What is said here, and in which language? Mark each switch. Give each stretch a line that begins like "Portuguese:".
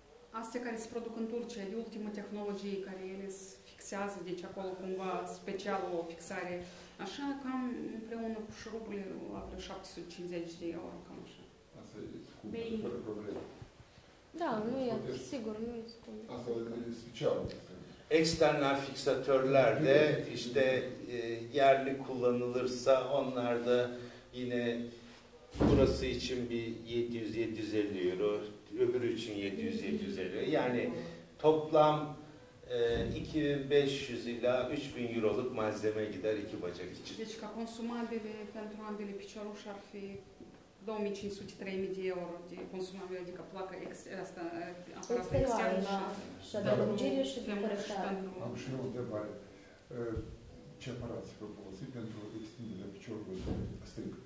Romanian: Astea care se produc în Turcia, de ultima tehnologie care ele se fixează, deci acolo cumva special o fixare, așa cam împreună cu șurubul la vreo 750 de euro, cam așa. Asta e scumpă, fără probleme. Da, nu e, sigur, nu e scumpă. Asta e special.
Turkish: Eksternal fiksatörler de işte yerli kullanılırsa onlar da yine burası için bir 700-750 euro, öbürü için 700-750 euro. Yani toplam 2500 ila 3000 euroluk malzeme gider iki bacak için.
Romanian: Deci ca consumabile pentru ambele picioruși ar fi 2500-3000 de euro de consumabile, adică placa asta externă. Și o întrebare. Ce aparat se propune pentru extinderea piciorului stâng?